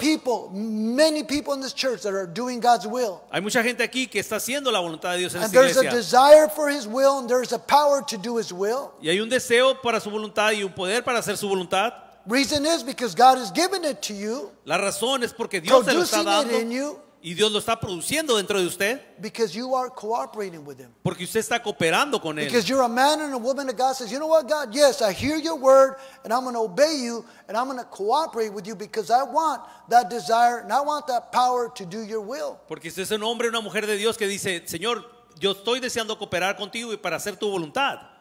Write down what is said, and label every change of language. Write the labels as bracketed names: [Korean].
[English] There's lots of people, many people in this church that are doing God's will. [Spanish] Hay mucha gente aquí que está haciendo la voluntad de Dios en [English] and [Spanish] esta [English] there's [Spanish] iglesia. [English] A desire for his will and there's a power to do his will. [Spanish] Y hay un deseo para su voluntad y un poder para hacer su voluntad. [English] Reason is because God has given it to you. [Spanish] La razón es porque Dios te lo está dando. [English] It in you. [Spanish] Y Dios lo está produciendo dentro de usted. [English] Because you are cooperating with him. [Spanish] Porque usted está cooperando con él. [English] Because you're a man and a woman of God says, you know what, God? Yes, I hear your word and I'm going to obey you and I'm going to cooperate with you because I want that desire and I want that power to do your will. [Spanish] Porque usted es un hombre o una mujer de Dios que dice, Señor, yo estoy deseando cooperar contigo y para hacer tu voluntad.